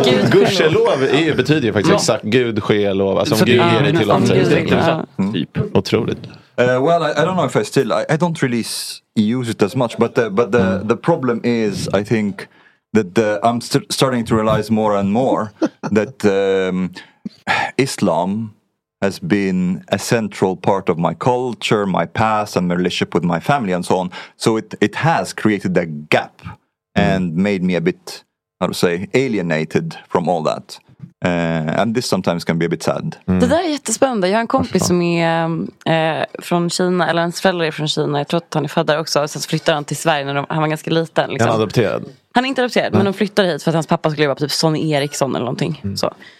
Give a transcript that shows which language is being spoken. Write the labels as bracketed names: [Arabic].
[Swedish] Gudskelov betyder ju faktiskt exakt gud ske lov, alltså om gud ger det till oss. Otroligt. [English] Well, I don't know if I still I don't really use it as much, but the problem is I think that I'm starting to realize more and more that Islam has been a central part of my culture, my past and my relationship with my family and so on, so it has created a gap and made me a bit, how to say, alienated from all that. And this sometimes can be a bit sad. [Swedish] Det där är jättespännande. Jag har en kompis som är från Kina, eller hans föräldrar är från Kina. Jag tror att han är född där också. Och sen flyttade han till Sverige när han var ganska liten liksom. Han är adopterad? Han är inte adopterad, men de flyttade hit för att hans pappa skulle jobba på typ Sonny Eriksson eller någonting. Mm. Så.